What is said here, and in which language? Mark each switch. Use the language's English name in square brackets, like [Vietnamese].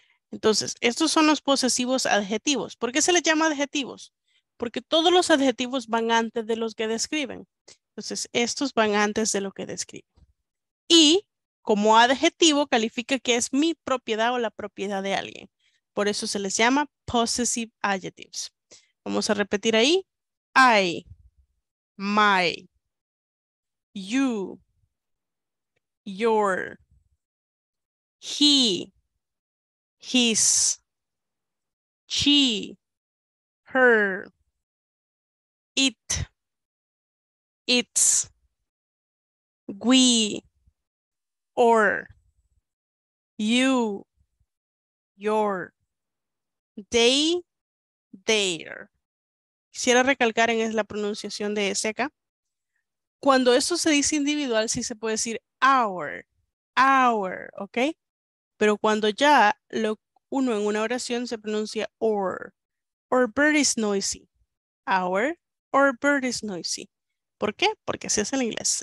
[Spanish] Entonces, estos son los posesivos adjetivos. ¿Por qué se les llama adjetivos? Porque todos los adjetivos van antes de los que describen. Entonces, estos van antes de lo que describen. Y como adjetivo califica que es mi propiedad o la propiedad de alguien. Por eso se les llama possessive adjectives. Vamos a repetir ahí. [English] I, my, you, your, he, his, she, her, it, its, we, or, you, your, they, their. [Spanish] Quisiera recalcar en la pronunciación de ese acá. Cuando eso se dice individual, sí se puede decir our, ¿ok? Pero cuando ya lo uno en una oración se pronuncia or. [English] Our bird is noisy. Our bird is noisy. [Spanish] ¿Por qué? Porque así es en inglés.